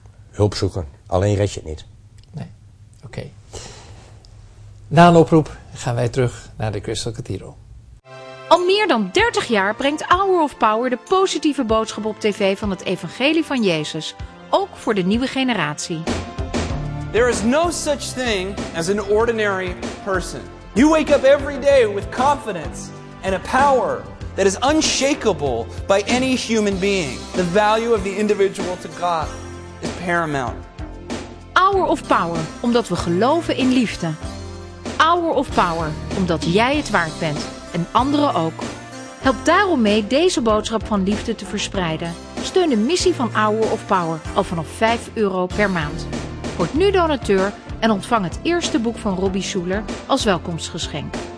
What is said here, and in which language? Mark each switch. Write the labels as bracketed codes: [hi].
[nl] Hulp zoeken. Alleen red je het niet. Nee. Oké. Na een oproep gaan wij terug naar de Crystal Cathedral. Al meer dan 30 jaar brengt Hour of Power de positieve boodschap op tv van het evangelie van Jezus. Ook voor de nieuwe generatie. [en] There is no such thing as an ordinary person. You wake up every day with confidence and a power that is unshakable by any human being. The value of the individual to God is paramount. [nl] Hour of Power, omdat we geloven in liefde. Hour of Power, omdat jij het waard bent en anderen ook. Help daarom mee deze boodschap van liefde te verspreiden. Steun de missie van Hour of Power al vanaf €5 per maand. Word nu donateur en ontvang het eerste boek van Robbie Schuller als welkomstgeschenk.